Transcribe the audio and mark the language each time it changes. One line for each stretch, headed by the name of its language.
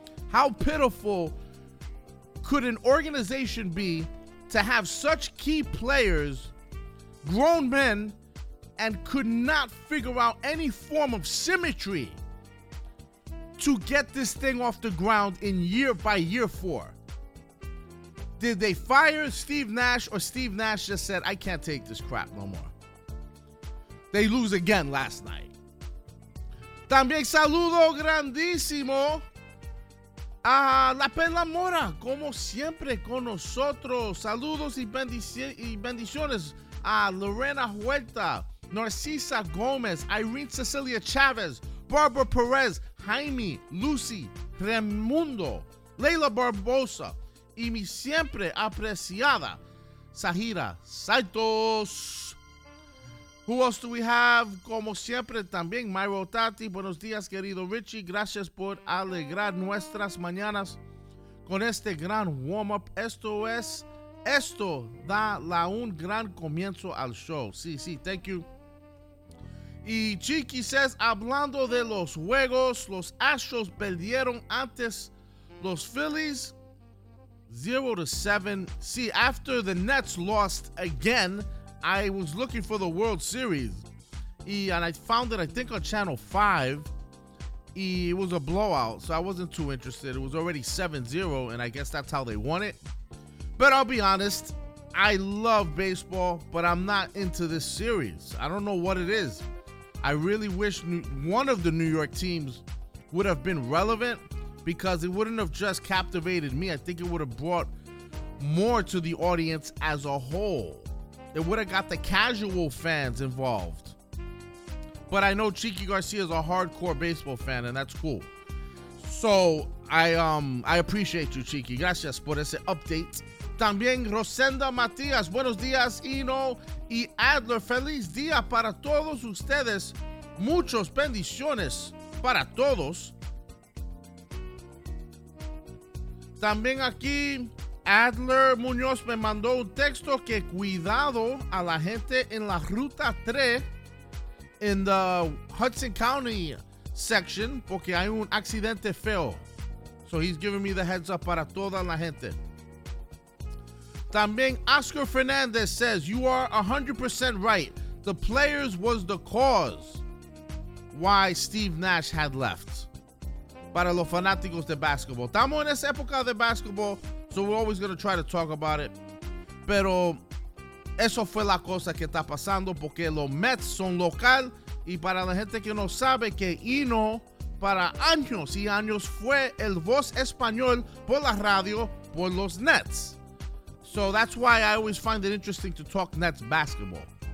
English: How pitiful could an organization be to have such key players, grown men, and could not figure out any form of symmetry to get this thing off the ground in year by year four? Did they fire Steve Nash, or Steve Nash just said, I can't take this crap no more? They lose again last night.
Spanish: También saludo grandísimo a La Perla Mora, como siempre con nosotros. Saludos y bendiciones a Lorena Huerta, Narcisa Gomez, Irene Cecilia Chavez, Barbara Perez, Jaime, Lucy, Remundo, Leila Barbosa, y mi siempre apreciada, Sahira Saitos.
English: Who else do we have?
Spanish: Como siempre, también,
English: Mayro Tati.
Spanish: Buenos días, querido Richie. Gracias por alegrar nuestras mañanas con este gran warm-up. Esto da la un gran comienzo al show. Sí, sí,
English: thank you.
Spanish: Y Chiqui says, hablando de los juegos, los Astros perdieron antes los Phillies 0-7.
English: Sí, after the Nets lost again, I was looking for the World Series. And I found it, I think, on Channel 5. It was a blowout, so I wasn't too interested. It was already 7-0, and I guess that's how they won it. But I'll be honest, I love baseball, but I'm not into this series. I don't know what it is. I really wish one of the New York teams would have been relevant, because it wouldn't have just captivated me. I think it would have brought more to the audience as a whole. It would have got the casual fans involved. But I know Cheeky Garcia is a hardcore baseball fan, and that's cool. So I appreciate you, Cheeky.
Spanish: Gracias por ese update. También Rosenda Matias, buenos días, Eno y Adler. Feliz día para todos ustedes. Muchos bendiciones para todos. También aquí Adler Muñoz me mandó un texto que cuidado a la gente en la Ruta 3 en the Hudson County section porque hay un accidente feo.
English: So he's giving me the heads up
Spanish: para toda la gente.
English: También Oscar Fernandez says, you are 100% right. The players was the cause why Steve Nash had left.
Spanish: Para los fanáticos de basketball. Estamos en esa época de basketball,
English: so we're always going to try to talk about it.
Spanish: Pero eso fue la cosa que está pasando porque los Mets son local. Y para la gente que no sabe que Eno, para años y años, fue el voz español por la radio por los Nets.
English: So that's why I always find it interesting to talk Nets basketball.